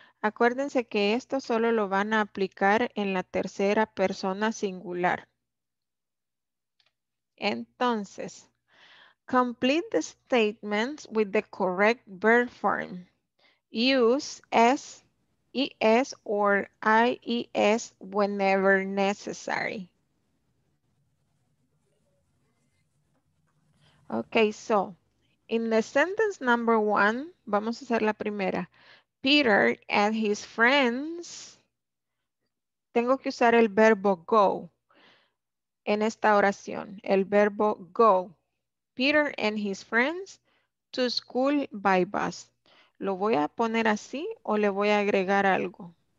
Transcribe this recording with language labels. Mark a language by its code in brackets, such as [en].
[es] Acuérdense que esto solo lo van a aplicar en la tercera persona singular. [en] Entonces, complete the statements with the correct verb form. Use S, ES or IES whenever necessary. Okay, so in the sentence number one, [es] vamos a hacer la primera. [en] Peter and his friends, [es] tengo que usar el verbo go en esta oración, el verbo go. [en] Peter and his friends to school by bus. [es] ¿Lo voy a poner así o le voy a agregar algo?